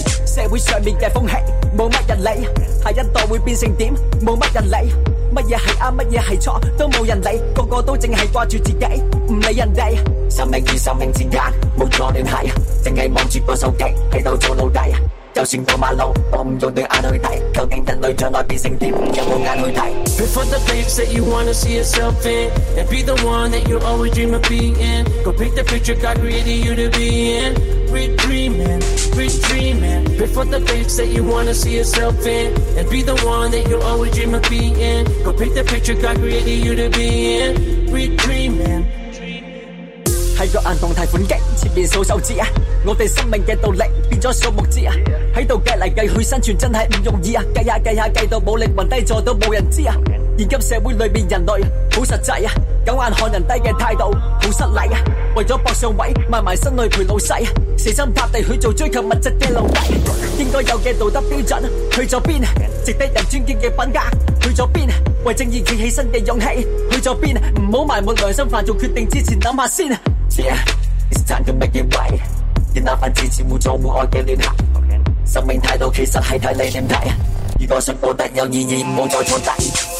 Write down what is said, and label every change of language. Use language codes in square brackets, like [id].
[yue] 社会上面嘅风气冇乜人理，下一代会变成点冇乜人理，乜嘢係啱乜嘢係错都冇人理，个个都淨係挂住自己唔理人哋。生命与生命之间没错联系，只是望住个手机喺度做奴隶。就算过马路，我唔用对眼去睇，究竟人类将来变成点，有冇眼去睇 [en] ？Prefer the place that you wanna see yourself in, and be the one that you always dream of being. Go paint the picture God created you to be in. Quit dreaming, quit dreaming. Prefer the place that you wanna see yourself in, and be the one that you always dream of being. Go paint the picture God created you to be in. Quit dreaming. [yue] 在个硬动态款机前面数手指，我哋生命嘅道理变咗数目字，喺度计嚟计去生存真系唔容易，计下计下计到冇灵魂低坐都冇人知。现今社会里面人类好实际，狗眼看人低嘅态度好失礼，为咗博上位卖埋身去陪老细，死心塌地去做追求物质嘅奴隶。应该有嘅道德标准去咗边？值得人尊敬嘅品格去咗边？为正义企起身嘅勇气去咗边？唔好埋没良心，犯做决定之前谂下先。 [en] Yeah, it's time to make it right. [yue] 建立份支持互助互爱嘅联系。生命态度其实系睇你点睇。如果想过得有意义，唔好再坐低。